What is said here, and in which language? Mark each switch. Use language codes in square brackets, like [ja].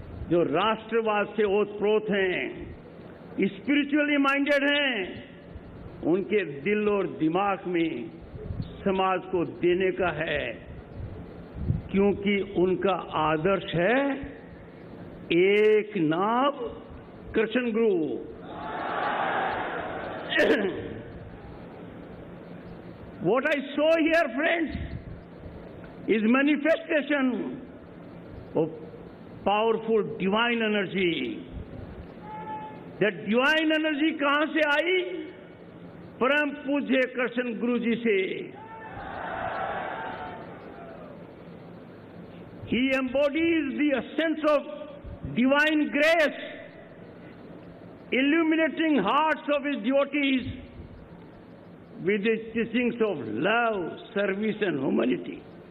[hi] जो राष्ट्रवाद से ओतप्रोत हैं, स्पिरिचुअली माइंडेड हैं, उनके दिल और दिमाग में समाज को देने का है, क्योंकि उनका आदर्श है एक नाम कृष्ण गुरु। [en] What I saw here, friends, is manifestation of powerful divine energy. That divine energy [hi] कहां से आई? परम पूज्य कृष्ण गुरु जी से। [en] He embodies the essence of divine grace, illuminating hearts of his devotees with his teachings of love, service and humility.